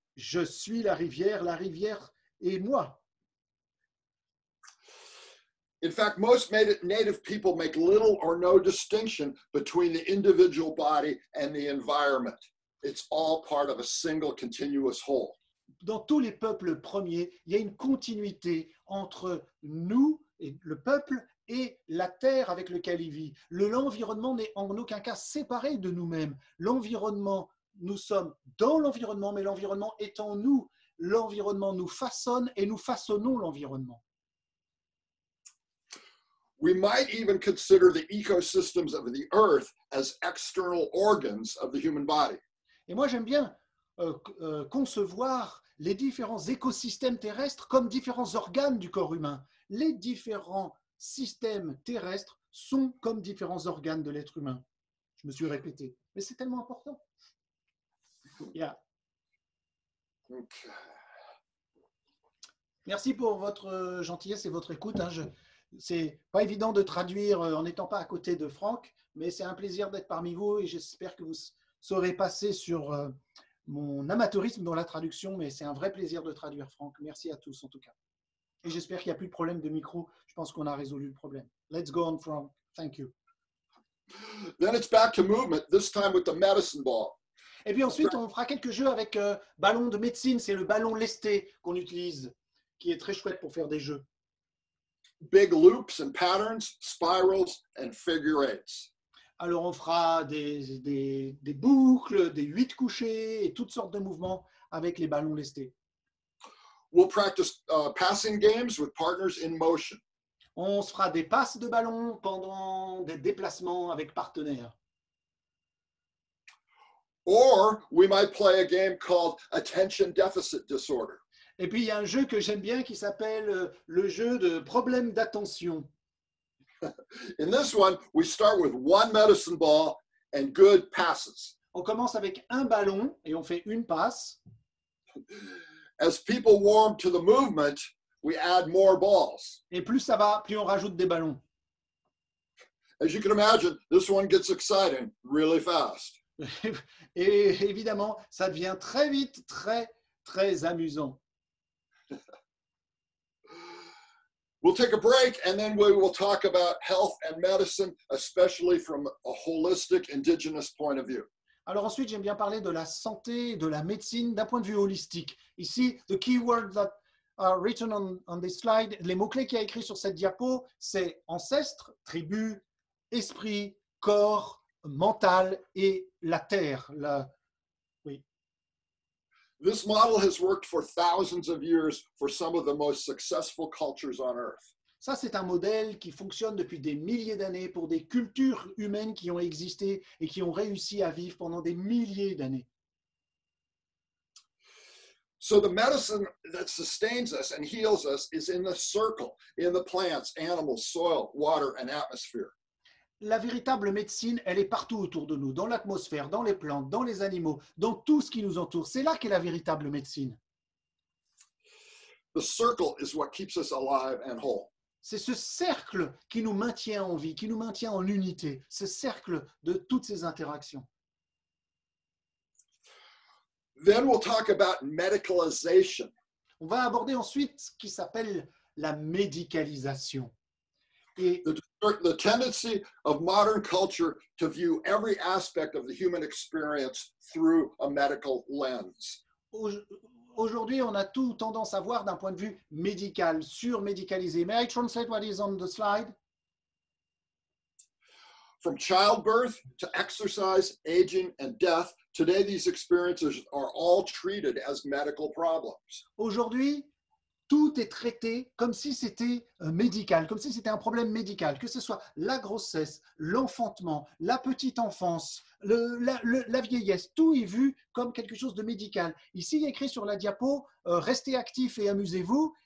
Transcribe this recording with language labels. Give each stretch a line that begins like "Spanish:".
French: Je suis la rivière est moi.
English: In fact, most native people make little or no distinction between the individual body and the environment. It's all part of a single continuous whole.
French: Dans tous les peuples premiers, il y a une continuité entre nous et le peuple et la terre avec laquelle il vit. L'environnement n'est en aucun cas séparé de nous-mêmes. L'environnement, nous sommes dans l'environnement, mais l'environnement est en nous. L'environnement nous façonne et nous façonnons l'environnement.
English: We might even consider the ecosystems of the earth as external organs of the human body.
French: Et moi, j'aime bien concevoir les différents écosystèmes terrestres comme différents organes du corps humain. Les différents systèmes terrestres sont comme différents organes de l'être humain. Je me suis répété, mais c'est tellement important.
English: Yeah. Okay.
French: Merci pour votre gentillesse et votre écoute. Hein. C'est pas évident de traduire en n'étant pas à côté de Franck, mais c'est un plaisir d'être parmi vous et j'espère que vous saurez passer sur mon amateurisme dans la traduction, mais c'est un vrai plaisir de traduire, Franck. Merci à tous, en tout cas. Et j'espère qu'il n'y a plus de problème de micro. Je pense qu'on a résolu le problème.
English: Let's go on, Franck. Thank you. Then it's back to movement, this time with the medicine ball.
French: Et puis ensuite, on fera quelques jeux avec ballon de médecine. C'est le ballon lesté qu'on utilise, qui est très chouette pour faire des jeux.
English: Big loops and patterns, spirals and figure eights.
French: Alors, on fera des boucles, des huit couchés et toutes sortes de mouvements avec les ballons lestés.
English: We'll practice passing games with partners in motion.
French: On se fera des passes de ballon pendant des déplacements avec partenaires.
English: Or, we might play a game called Attention Deficit Disorder.
French: Et puis, il y a un jeu que j'aime bien qui s'appelle le jeu de problème d'attention.
English: In this one, we start with one medicine ball and good passes.
French: On commence avec un ballon et on fait une passe.
English: As people warm to the movement, we add more balls.
French: Et plus ça va, plus on rajoute des ballons.
English: As you can imagine, this one gets exciting really fast.
French: Et évidemment, ça devient très vite très très amusant.
English: We'll take a break and then we will talk about health and medicine, especially from a holistic indigenous point of view.
French: Alors ensuite, j'aime bien parler de la santé, de la médecine d'un point de vue holistique. Ici,
English: the keywords that are written on this slide,
French: les mots-clés qui a écrit sur cette diapo, c'est ancêtres, tribu, esprit, corps, mental et la terre.
English: This model has worked for thousands of years for some of the most successful cultures on earth.
French: Ça, c'est un modèle qui fonctionne depuis des milliers d'années pour des cultures humaines qui ont existé et qui ont réussi à vivre pendant des milliers d'années.
English: So the medicine that sustains us and heals us is in the circle, in the plants, animals, soil, water and atmosphere.
French: La véritable médecine, elle est partout autour de nous, dans l'atmosphère, dans les plantes, dans les animaux, dans tout ce qui nous entoure. C'est là qu'est la véritable médecine.
English: The circle is what keeps us alive and whole.
French: C'est ce cercle qui nous maintient en vie, qui nous maintient en unité, ce cercle de toutes ces interactions.
English: Then we'll talk about medicalization.
French: On va aborder ensuite ce qui s'appelle la médicalisation.
English: The tendency of modern culture to view every aspect of the human experience through a medical lens.
French: Aujourd'hui, on a tout tendance à voir d'un point de vue médical, surmédicalisé.
English: May I translate what is on the slide? From childbirth to exercise, aging and death, today these experiences are all treated as medical problems.
French: Aujourd'hui, tout est traité comme si c'était médical, comme si c'était un problème médical, que ce soit la grossesse, l'enfantement, la petite enfance, la vieillesse, tout est vu comme quelque chose de médical. Ici, il y a écrit sur la diapo, restez actifs et amusez-vous.